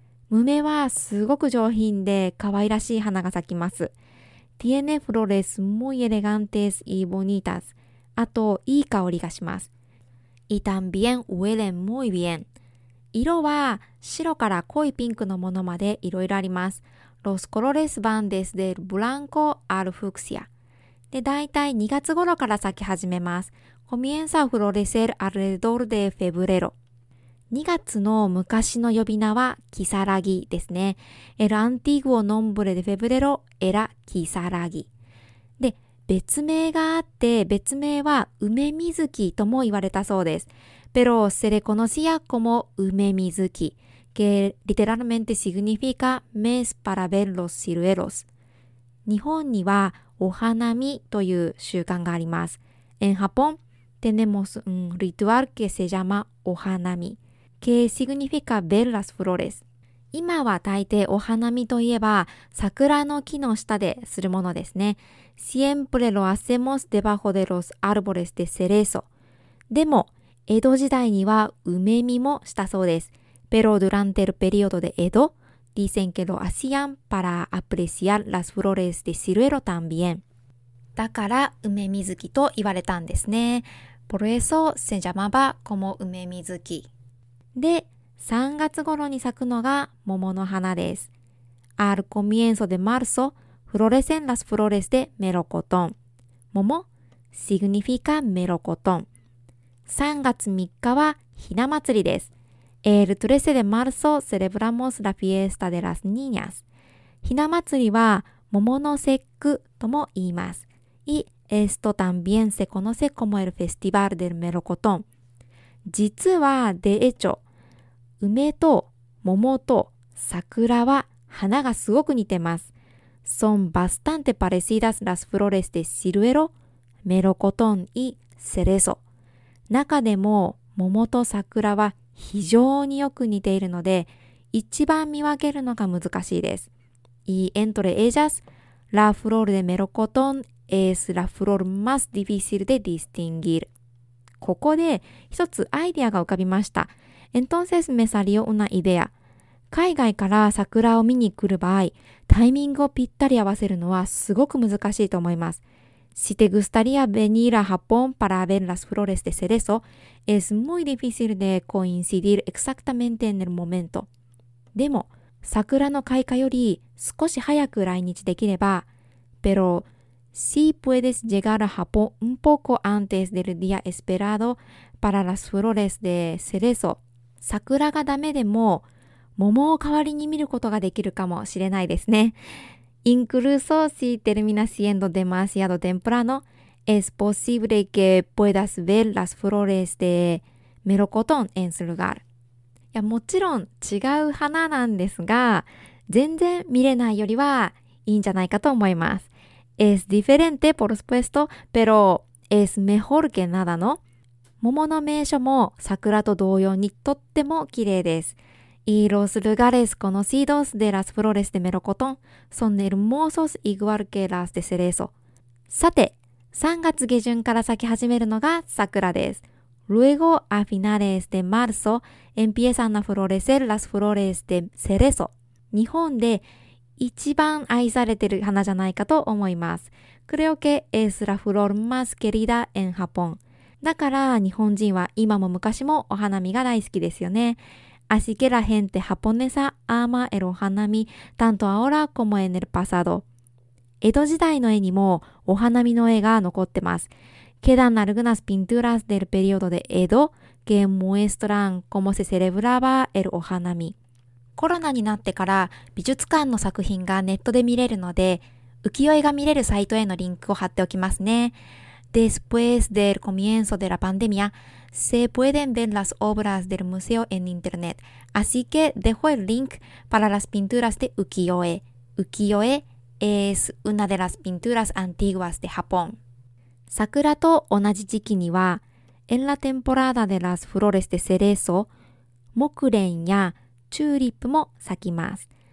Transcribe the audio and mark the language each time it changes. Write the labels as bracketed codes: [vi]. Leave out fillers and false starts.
[ja] 梅はすごく上品で可愛らしい花が咲きます。 [es] Tiene flores muy elegantes y bonitas. [ja] あと、いい香りがします。 [es] Y también huelen muy bien. [ja] 色は白から濃いピンクのものまでいろいろあります。 [es] Los colores van desde el blanco al fucsia. [ja] で、だいたい2月頃から咲き始めます。 [es] Comienza a florecer alrededor de febrero. [ja] 2月の昔の呼び名はキサラギですね。 [es] El antiguo nombre de febrero era キサラギ。 [ja] で、別名があって、別名は梅水木とも言われたそうです。 [es] Pero se le conocía como 梅水木、que literalmente significa mes para ver los ciruelos。 [ja] 日本にはお花見という習慣があります。 [es] En Japón tenemos un ritual que se llama お花見。 que significa ver las flores. [ja] 今は大抵お花見といえば桜の木の下でするものですね。 [es] Siempre lo hacemos debajo de los árboles de cerezo. [ja] でも、江戸時代には梅見もしたそうです。 [es] Pero durante el periodo de Edo, dicen que lo hacían para apreciar las flores de ciruelo también. [ja] だから梅水木と言われたんですね。 [es] Por eso se llamaba como 梅水木。 [ja] で、3月頃に咲くのが桃の花です。 [es] Al comienzo de marzo, florecen las flores de melocotón. [ja] 桃 [es] significa melocotón. [ja] 3月3日はひな祭りです。 [es] El 13 de marzo celebramos la fiesta de las niñas. [ja] ひな祭りは桃の節句とも言います。 [es] Y esto también se conoce como el festival del melocotón. [ja] 実は、 [es] de hecho, [ja] 梅と桃と桜は花がすごく似てます。 [es] Son bastante parecidas las flores de ciruelo, melocotón y cerezo. [ja] 中でも桃と桜は非常によく似ているので、一番見分けるのが難しいです。 [es] Y entre ellas, la flor de melocotón es la flor más difícil de distinguir. [ja] ここで一つアイデアが浮かびました。 [es] Entonces me salió una idea. [ja] 海外から桜を見に来る場合、タイミングをぴったり合わせるのはすごく難しいと思います。 [es] Si te gustaría venir a Japón para ver las flores de cerezo, es muy difícil de coincidir exactamente en el momento. [ja] でも、桜の開花より少し早く来日できれば、 [es] Pero si puedes llegar a Japón un poco antes del día esperado para las flores de cerezo, [ja] 桜がダメでも、桃を代わりに見ることができるかもしれないですね。 [es] Incluso si termina siendo demasiado temprano, es posible que puedas ver las flores de melocotón en su lugar. [ja] いや、もちろん違う花なんですが、全然見れないよりはいいんじゃないかと思います。 [es] Es diferente, por supuesto, pero es mejor que nada, ¿no? [ja] 桃の名所も桜と同様にとっても綺麗です。 [es] Y los lugares conocidos de las flores de melocotón son hermosos igual que las de cerezo. [ja] さて、3月下旬から咲き始めるのが桜です。 [es] Luego a finales de marzo empiezan a florecer las flores de cerezo. [ja] 日本で一番愛されてる花じゃないかと思います。 [es] Creo que es la flor más querida en Japón. [ja] だから日本人は今も昔もお花見が大好きですよね。 [es] Así que la gente japonesa ama el 花見 tanto ahora como en el pasado. [ja] 江戸時代の絵にもお花見の絵が残ってます。 [es] Quedan algunas pinturas del periodo de Edo que muestran cómo se celebraba el 花見。 [ja] コロナになってから美術館の作品がネットで見れるので、浮世絵が見れるサイトへのリンクを貼っておきますね。 [es] Después del comienzo de la pandemia, se pueden ver las obras del museo en internet. Así que dejo el link para las pinturas de ukiyo-e. Ukiyo-e es una de las pinturas antiguas de Japón. [ja] Sakura と同じ時期には、 [es] en la temporada de las flores de cerezo, [ja] mokuren やチューリップも咲きます。